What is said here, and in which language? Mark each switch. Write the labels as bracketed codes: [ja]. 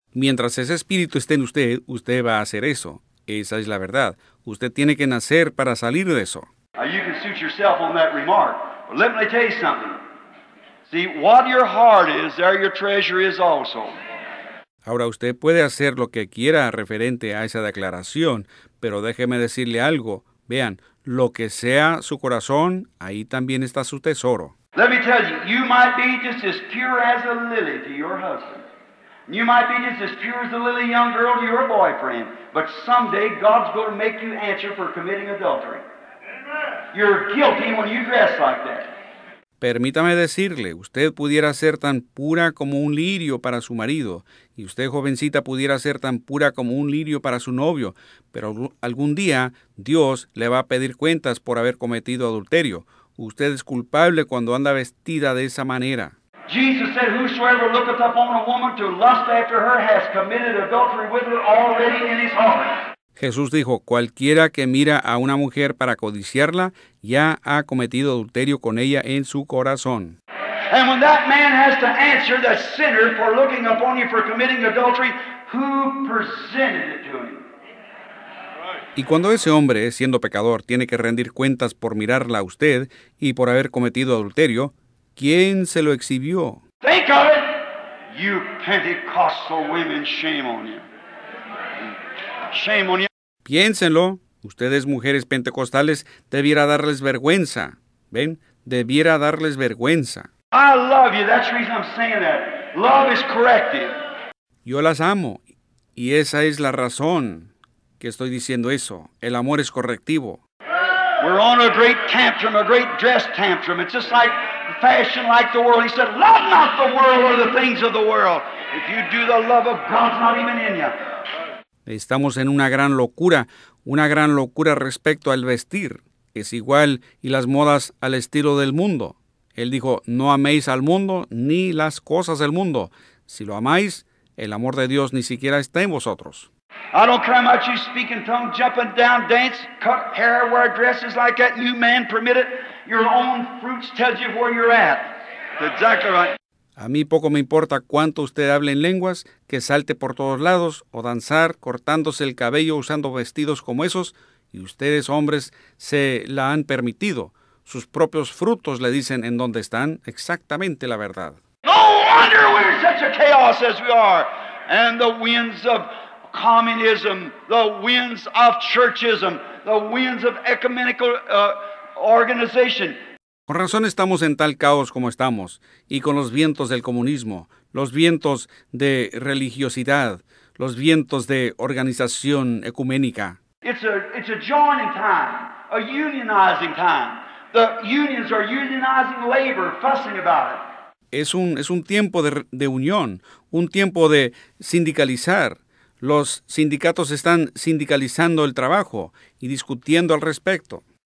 [es] Mientras ese espíritu esté en usted, usted va a hacer eso. Esa es la verdad. Usted tiene que nacer para salir de eso. [en] You can suit yourself on that remark. But let me tell you something. See, what your heart is, there your treasure is also. [es] Ahora usted puede hacer lo que quiera referente a esa declaración, pero déjeme decirle algo. Vean, lo que sea su corazón, ahí también está su tesoro. [en] Let me tell you, you might be just as pure as a lily to your husband. You might be just as pure as a lily young girl to your boyfriend, but someday God's going to make you answer for committing adultery. You're guilty when you dress like that. [es] Permítame decirle, usted pudiera ser tan pura como un lirio para su marido, y usted, jovencita, pudiera ser tan pura como un lirio para su novio, pero algún día Dios le va a pedir cuentas por haber cometido adulterio. Usted es culpable cuando anda vestida de esa manera. [en] Jesus said, whosoever looketh upon a woman to lust after her has committed adultery with her already in his heart. [es] Jesús dijo, cualquiera que mira a una mujer para codiciarla, ya ha cometido adulterio con ella en su corazón. [en] And when that man has to answer the sinner for looking upon you for committing adultery, who presented it to him? [es] Y cuando ese hombre, siendo pecador, tiene que rendir cuentas por mirarla a usted y por haber cometido adulterio, ¿quién se lo exhibió? [en] Think of it! You Pentecostal women, shame on you. Shame on you. [es] Piénsenlo. Ustedes, mujeres pentecostales, debiera darles vergüenza. ¿Ven? Debiera darles vergüenza. [en] I love you. That's the reason I'm saying that. Love is corrective. [es] Yo las amo. Y esa es la razón que estoy diciendo eso. El amor es correctivo. [en] We're on a great tantrum, a great dress tantrum. It's just like fashion like the world. He said, love not the world or the things of the world. If you do, the love of God's not even in you. [es] Estamos en una gran locura respecto al vestir. Es igual, y las modas al estilo del mundo. Él dijo, no améis al mundo ni las cosas del mundo. Si lo amáis, el amor de Dios ni siquiera está en vosotros. [en] I don't care much you speak in tongues, jump and down, dance, cut hair, wear dresses like that, you man permit it. Your own fruits tell you where you're at. That's exactly right. [es] A mí poco me importa cuánto usted hable en lenguas, que salte por todos lados, o danzar cortándose el cabello usando vestidos como esos, y ustedes, hombres, se la han permitido. Sus propios frutos le dicen en dónde están exactamente la verdad. [en] No wonder we're such a chaos as we are, and the winds of communism, the winds of churchism, the winds of ecumenical organization. [es] Con razón estamos en tal caos como estamos, y con los vientos del comunismo, los vientos de religiosidad, los vientos de organización ecuménica. [en] It's a joining time, a unionizing time. The unions are unionizing labor, fussing about it. [es] Es un tiempo de unión, un tiempo de sindicalizar. Los sindicatos están sindicalizando el trabajo y discutiendo al respecto.